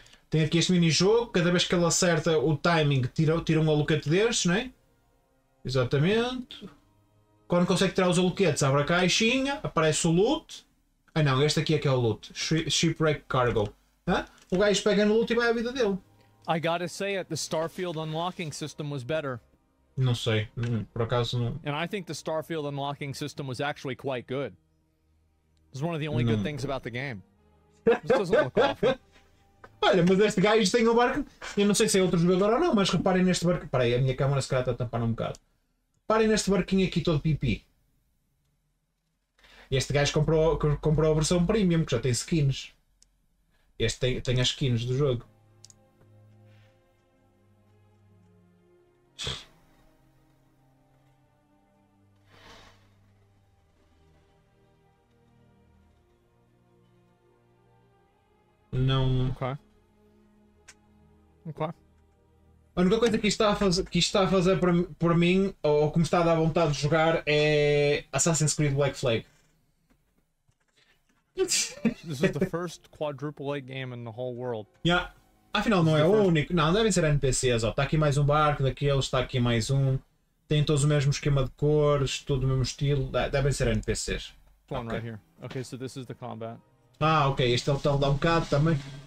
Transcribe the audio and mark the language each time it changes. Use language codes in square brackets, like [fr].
[pt] Tem aqui este mini-jogo. Cada vez que ele acerta o timing, tira um aloquete destes, não é? Exatamente. Quando consegue tirar os aloquetes, abre a caixinha, aparece o loot. Ah não, este aqui é que é o loot. Shipwreck Cargo. Hã? O gajo pega no loot e vai à vida dele. [en] I gotta say it, the Starfield unlocking system was better. [pt] Não sei, por acaso não. [en] And I think the Starfield unlocking system was actually quite good. It was one of the only good things about the game. This doesn't look awful. [pt] Olha, mas este gajo tem um barco. Eu não sei se é outro jogador ou não, mas reparem neste barco. Espera aí, a minha câmera se calhar está a tampar um bocado. Reparem neste barquinho aqui todo pipi. Este gajo comprou a versão premium, que já tem skins. Este tem as skins do jogo. Não. Ok. A única coisa que isto está a fazer por mim, ou que me está a dar vontade de jogar, é Assassin's Creed Black Flag. [en] This is the first quadruple-A game in the whole world. [pt] Yeah. Afinal, não é o único. Não, devem ser NPCs. Está aqui mais um barco daqueles, está aqui mais um. Tem todos o mesmo esquema de cores, todo o mesmo estilo. Devem ser NPCs. [en] Okay. Right here. Okay, so this is the combat. [pt] Ah, ok. Este é o tal de um bocado também.